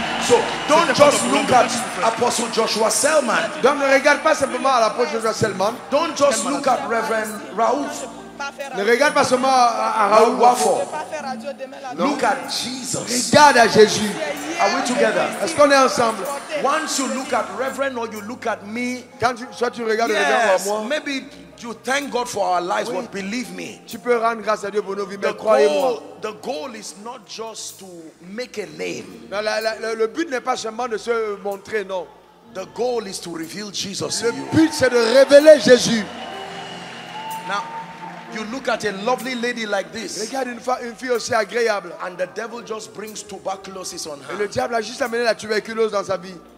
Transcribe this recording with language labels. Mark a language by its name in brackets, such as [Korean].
[English] So don't just look at Apostle Joshua Selman. [French] Donc ne regarde pas simplement à l'apôtre Joshua Selman. [English] Don't just look at Reverend Raoul. [French] Ne regarde pas seulement à Raoul [English] Waffo. Look at Jesus. [French] Regarde à Jésus. [English] Are we together? [French] Est-ce qu'on est ensemble? [English] Once you look at Reverend or you look at me, [French] quand tu regardes le Reverend ou moi, [English] maybe you thank God for our lives, oui. But believe me. [French] Tu peux rendre grâce à Dieu pour nos vies, mais croyez-moi. [English] The goal is not just to make a name. [French] Non, le but n'est pas seulement de se montrer, non. [English] The goal is to reveal Jesus. [French] Le but c'est de révéler Jésus. [English] Now, you look at a lovely lady like this. [French] Regarde une fille aussi agréable. [English] And the devil just brings tuberculosis on her. [French] Et le diable a juste amené la tuberculose dans sa vie.